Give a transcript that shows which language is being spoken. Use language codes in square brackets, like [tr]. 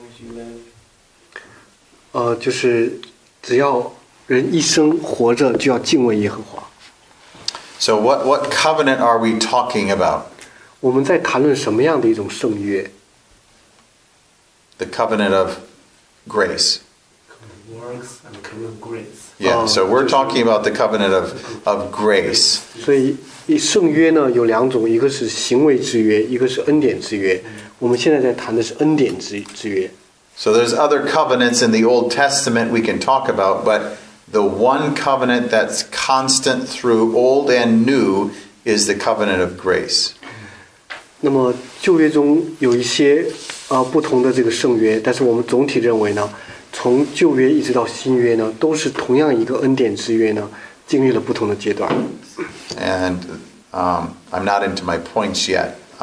[en] Fear the Lord as long as you live. [zh] 就是只要人一生活着就要敬畏耶和华。 [en] So what covenant are we talking about? [zh] 我们在谈论什么样的一种圣约？ [en] The covenant of grace. Works and covenant of grace. Yeah, so we're talking about the covenant of grace. [zh] 所以圣约呢有两种，一个是行为之约，一个是恩典之约。我们现在在谈的是恩典之约。 [en] So there's other covenants in the Old Testament we can talk about, but the one covenant that's constant through old and new is the covenant of grace. [zh] 那么旧约中有一些不同的这个圣约，但是我们总体认为呢，从旧约一直到新约呢，都是同样一个恩典之约呢，经历了不同的阶段。 [en] And I'm not into my points yet.